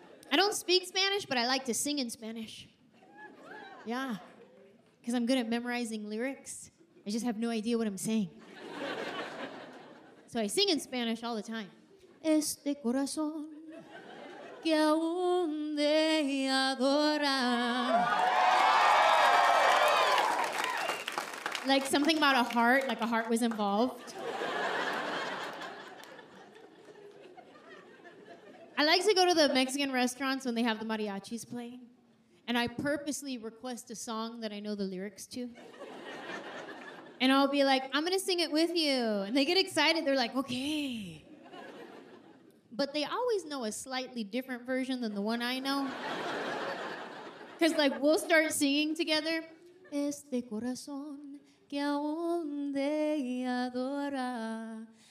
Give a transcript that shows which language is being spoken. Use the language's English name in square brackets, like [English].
[English] I don't speak Spanish, but I like to sing in Spanish. Yeah, because I'm good at memorizing lyrics. I just have no idea what I'm saying. So I sing in Spanish all the time. [Spanish] Este corazón que aún te adora. [English] Like something about a heart, like a heart was involved. I like to go to the Mexican restaurants when they have the mariachis playing, and I purposely request a song that I know the lyrics to. And I'll be like, I'm gonna sing it with you. And they get excited, they're like, okay. But they always know a slightly different version than the one I know. Cause like, we'll start singing together. [Spanish] Este corazón que aún te adora.